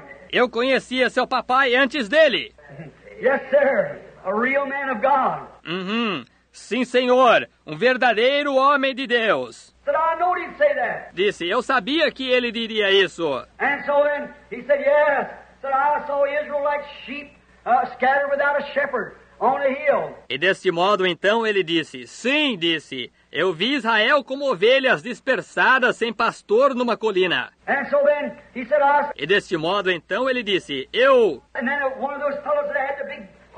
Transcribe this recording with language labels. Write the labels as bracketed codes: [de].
[pt] Eu conhecia seu papai antes dele. [en] Yes, sir. A real man of God. [pt] Uhum. Sim, senhor. Um verdadeiro homem de Deus. [en] But I know he'd say that. [pt] Disse, eu sabia que ele diria isso. [en] And so then he said, yes. But I saw Israel like sheep scattered without a shepherd on a hill. [pt] E deste modo, então, ele disse, sim, disse, eu vi Israel como ovelhas dispersadas sem pastor numa colina. [en] And so then he said, [pt] e deste modo, então, ele disse, eu... [en] And then one of those fellows that had the big...